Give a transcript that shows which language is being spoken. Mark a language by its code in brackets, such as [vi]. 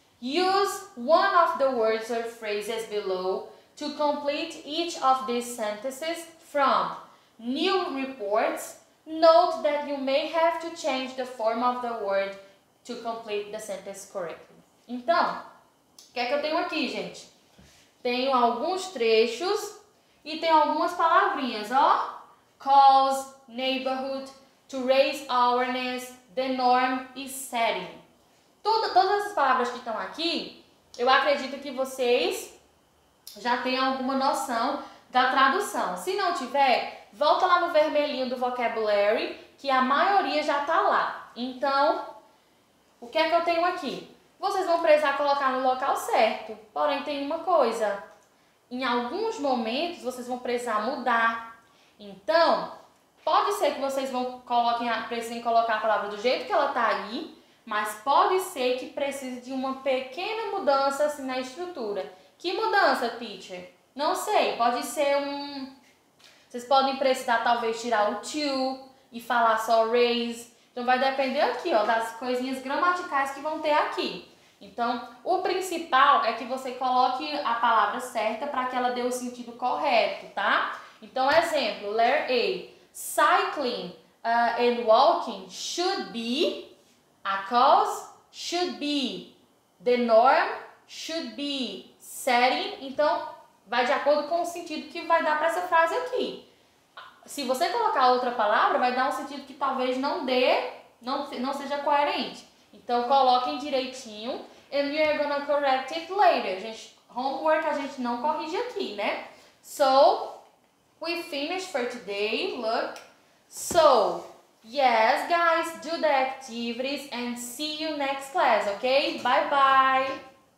[en] Use one of the words or phrases below to complete each of these sentences from new reports. Note that you may have to change the form of the word to complete the sentence correctly. [pt] Então, o que é que eu tenho aqui, gente? Tenho alguns trechos e tem algumas palavrinhas, ó. [en] Cause, neighborhood, to raise awareness, the norm e setting. [pt] Todas essas palavras que estão aqui, eu acredito que vocês já tenham alguma noção da tradução. Se não tiver, volta lá no vermelhinho do vocabulary, que a maioria já está lá. Então, o que é que eu tenho aqui? Vocês vão precisar colocar no local certo. Porém, tem uma coisa. Em alguns momentos, vocês vão precisar mudar. Então, pode ser que vocês precisem colocar a palavra do jeito que ela está aí, mas pode ser que precise de uma pequena mudança assim, na estrutura. Que mudança, teacher? Não sei, pode ser vocês podem precisar talvez tirar o to e falar só raise. Então, vai depender aqui ó, das coisinhas gramaticais que vão ter aqui. Então, o principal é que você coloque a palavra certa para que ela dê o sentido correto, tá? Então, exemplo, [en] letter A, cycling and walking should be a cause, should be the norm, should be setting. [pt] Então, vai de acordo com o sentido que vai dar para essa frase aqui. Se você colocar outra palavra, vai dar um sentido que talvez não seja coerente. Então, coloquem direitinho. [en] And we are gonna correct it later. [pt] Gente, homework a gente não corrige aqui, né? [en] So, we finished for today. Look. So, yes, guys, do the activities and see you next class, okay? Bye-bye.